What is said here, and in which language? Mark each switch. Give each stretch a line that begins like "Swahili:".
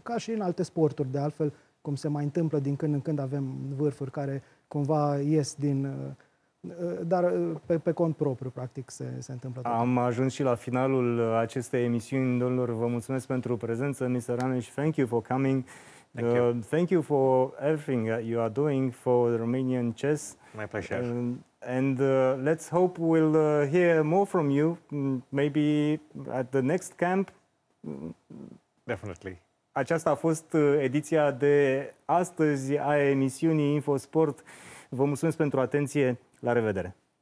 Romanian: Ca și în alte sporturi, de altfel, cum se mai întâmplă din când în când, avem vârfuri care cumva ies din... Dar pe cont propriu, practic, se întâmplă. Am ajuns și la finalul acestei emisiuni. Domnilor, vă mulțumesc pentru prezență, Mr.
English: Rameș, thank you for coming. Thank you for everything that you are doing for the Romanian chess. My pleasure. Let's hope we'll hear more from you, maybe at the next camp. Definitely.
Romanian: Aceasta a fost ediția de astăzi a emisiunii InfoSport. Vă mulțumesc pentru atenție. La revedere!